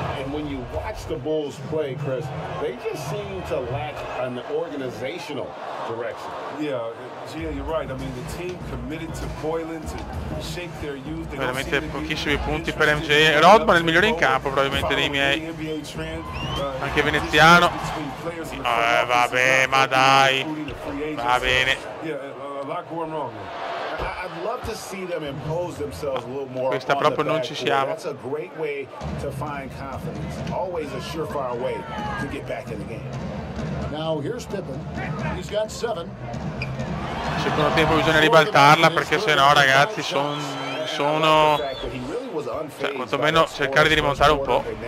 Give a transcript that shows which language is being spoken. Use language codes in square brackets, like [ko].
[en] When you watch the Bulls play, Chris, they just seem to lack an organizational direction. Yeah, Gia, you're right. I mean, the team committed to Boylan to shake their youth. They [it] veramente pochissimi punti per MJ. Rodman è il migliore in campo, probabilmente, dei miei. Anche veneziano. Vabbè, ma dai. Va bene. [en] I'd love to see them impose themselves a little more. [it] Questa proprio non ci siamo. [en] That's a great way to find confidence. Always a surefire way to get back in the game. Now here's Pippen. He's got seven. [it] Secondo tempo bisogna ribaltarla, perché sennò, ragazzi, sono cioè, quantomeno cercare di rimontare un po'.